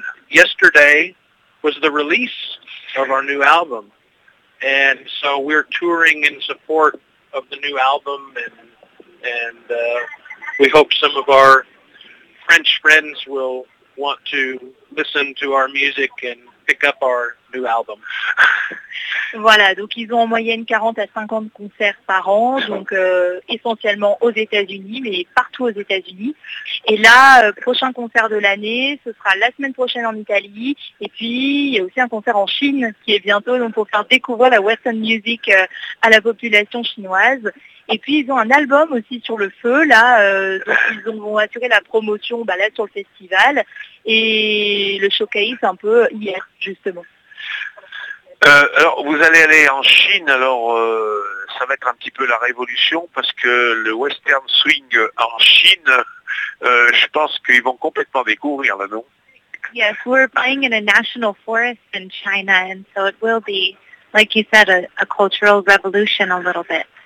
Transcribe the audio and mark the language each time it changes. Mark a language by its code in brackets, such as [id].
[en] Yesterday was the release of our new album. And so we're touring in support of the new album. And we hope some of our French friends will want to listen to our music and pick up our new album. [fr] Voilà, donc ils ont en moyenne 40 à 50 concerts par an, donc essentiellement aux États-Unis, mais partout aux États-Unis. Et là, prochain concert de l'année, ce sera la semaine prochaine en Italie, et puis il y a aussi un concert en Chine qui est bientôt, donc pour faire découvrir la Western Music à la population chinoise. Et puis ils ont un album aussi sur le feu, là, donc ils ont assuré la promotion là sur le festival, et le showcase un peu hier, justement. Alors, vous allez aller en Chine, alors ça va être un petit peu la révolution, parce que le Western Swing en Chine, je pense qu'ils vont complètement découvrir, là, non? [en] Yes, we're playing in a national forest in China, and so it will be, like you said, a cultural revolution a little bit.